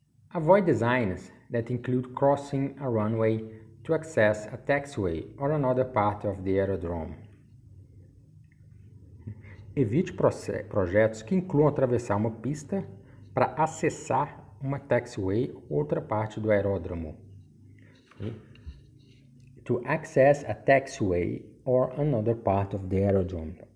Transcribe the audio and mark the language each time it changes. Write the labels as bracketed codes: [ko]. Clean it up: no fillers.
[en] Avoid designs that include crossing a runway to access a taxiway or another part of the aerodrome. [pt] Evite projetos que incluam atravessar uma pista para acessar uma taxiway ou outra parte do aeródromo. [en] To access a taxiway or another part of the aerodrome.